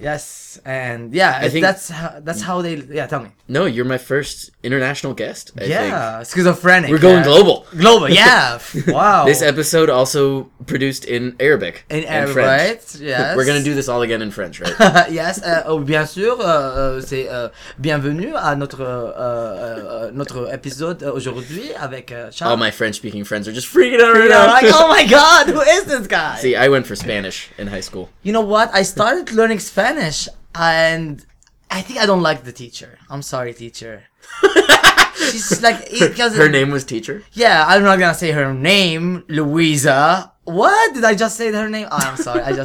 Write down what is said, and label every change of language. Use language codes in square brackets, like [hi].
[en] Yes, and yeah, I think that's how they... Yeah, tell me. No, you're my first international guest, I think. Schizophrenic. We're going global. Global, yeah. Wow. This episode also produced in Arabic. In Arabic, right? Yes. We're going to do this all again in French, right? Yes, [fr] bien sûr, c'est bienvenue à notre épisode aujourd'hui avec Charles. [en] All my French-speaking friends are just freaking out right now. Like, oh my God, who is this guy? See, I went for Spanish in high school. You know what? I started learning Spanish, and I think I don't like the teacher. I'm sorry, teacher. She's like, her name was teacher? Yeah, I'm not gonna say her name, Louisa. What? Did I just say her name? Oh, I'm sorry.